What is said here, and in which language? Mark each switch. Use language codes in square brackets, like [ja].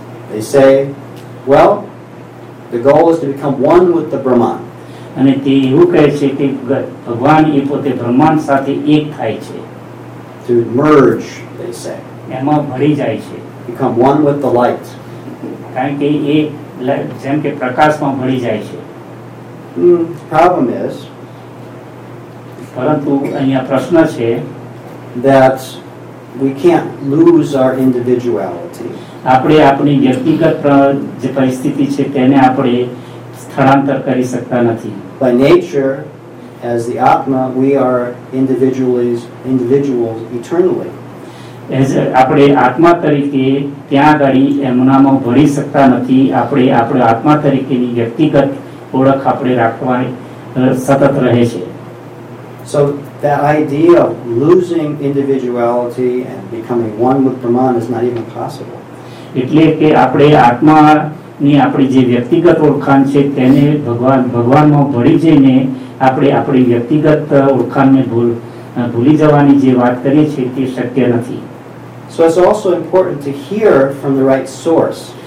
[en] They say, well, the goal is to become one with the Brahman. [gu] અને તે એવું કહે છે કે ભગવાન એ પોતે બ્રહ્માંડ સાથે એક થાય છે. [en] To merge, they say. [gu] એમાં ભળી જાય છે. [en] Become one with the light. [gu] કારણ કે એ જેમ કે પ્રકાશમાં ભળી જાય છે. [en] Problem is, [gu] પરંતુ અહીંયા પ્રશ્ન છે, [en] that we can't lose our individuality. [gu] આપણે આપણી વ્યક્તિગત જે પરિસ્થિતિ છે તેને આપણે સ્થળાંતર કરી શકતા નથી. [en] By nature, as the Atma, we are individuals eternally. [gu] આપણે આત્મા તરીકે ત્યાં ગાડી એમનામાં ભળી શકતા નથી. આપણે આપણા આત્મા તરીકેની વ્યક્તિગત ઓળખ આપણે રાખવાની સતત રહે છે. [en] So the idea of losing individuality and becoming one with Brahman is not even possible. [gu] એટલે કે આપણે આત્માની આપણી જે વ્યક્તિગત ઓળખાણ છે તેને ભગવાનમાં ભળી જઈને આપણે આપણી વ્યક્તિગત ઓળખાણને ભૂલી જવાની જે વાત કરીએ છીએ તે શક્ય નથી. [en] So it's also important to hear from the right source.